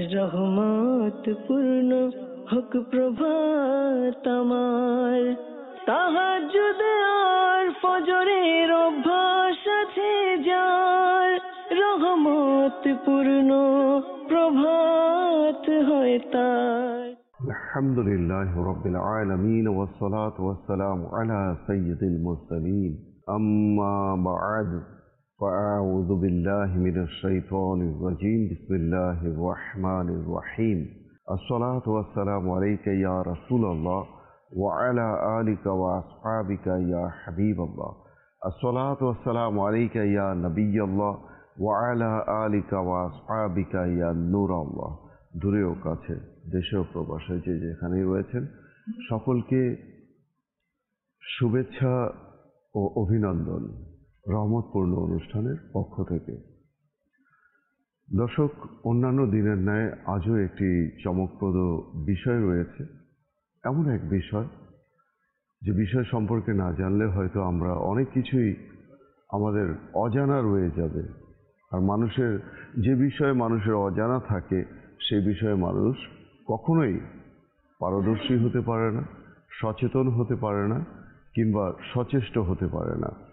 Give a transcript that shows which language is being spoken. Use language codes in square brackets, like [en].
[bn] রহমত পূর্ণ হক প্রভাত আমার, তাহাজ্জুদ আর ফজরের অভ্যাস আছে যার, রহমত পূর্ণ প্রভাত হয় তার। [ar] الحمد لله رب العالمين والصلاة والسلام على سيد المرسلين أما بعد فأعوذ بالله من الشيطان الرجيم بسم الله الرحمن الرحيم الصلاة والسلام عليك يا رسول الله وعلى آلك وأصحابك يا حبيب الله الصلاة والسلام عليك يا نبي الله وعلى آلك وأصحابك يا نور الله [bn] দূরেও কাছে দেশেও প্রবাসে যে যেখানেই রয়েছেন সকলকে শুভেচ্ছা ও অভিনন্দন রহমতপূর্ণ অনুষ্ঠানের পক্ষ থেকে। দর্শক, অন্যান্য দিনের ন্যায় আজও একটি চমকপ্রদ বিষয় রয়েছে, এমন এক বিষয় যে বিষয় সম্পর্কে না জানলে হয়তো আমরা অনেক কিছুই আমাদের অজানা রয়ে যাবে। আর মানুষের যে বিষয়ে মানুষের অজানা থাকে সে বিষয়ে মানুষ কখনোই পারদর্শী হতে পারে না, সচেতন হতে পারে না, কিংবা সচেষ্ট হতে পারে না।